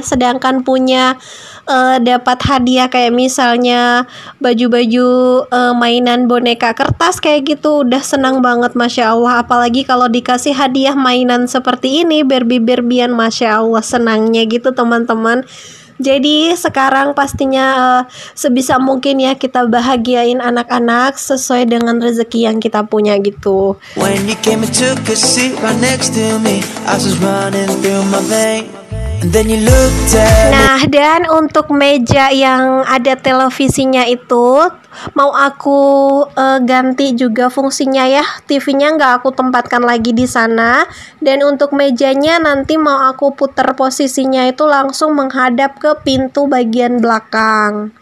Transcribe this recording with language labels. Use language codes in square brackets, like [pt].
[id] Sedangkan punya dapat hadiah kayak misalnya baju-baju mainan boneka kertas kayak gitu, udah senang banget Masya Allah. Apalagi kalau dikasih hadiah mainan seperti ini, berbi-berbian Masya Allah senangnya gitu teman-teman. Jadi sekarang pastinya sebisa mungkin ya kita bahagiain anak-anak sesuai dengan rezeki yang kita punya gitu. [en] When you came and took a seat right next to me, I was just running through my veins. [id] Nah, dan untuk meja yang ada televisinya itu mau aku ganti juga fungsinya ya. TV-nya nggak aku tempatkan lagi di sana. Dan untuk mejanya nanti mau aku putar posisinya itu langsung menghadap ke pintu bagian belakang.